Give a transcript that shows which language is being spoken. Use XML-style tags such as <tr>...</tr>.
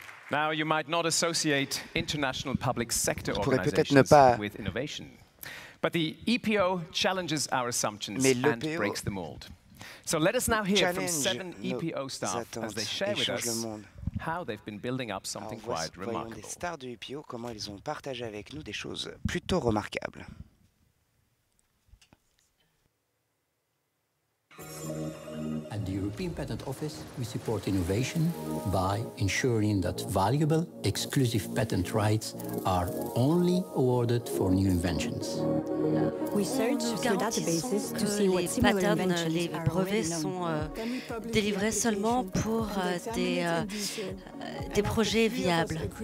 <en>Now you might not associate international public sector organizations with innovation, but the EPO challenges our assumptions and breaks the mold. So let us now hear from 7 EPO staff as they share with us how they've been building up something quite remarkable.</en> <fr>Voyons les stars de EPO, comment ils ont partagé avec nous des choses plutôt remarquables.</fr> <en>At the European Patent Office, we support innovation by ensuring that valuable, exclusive patent rights are only awarded for new inventions. We search through databases to see what similar inventions are really known.</en> <fr>Les brevets sont délivrés seulement pour des projets viables.</fr>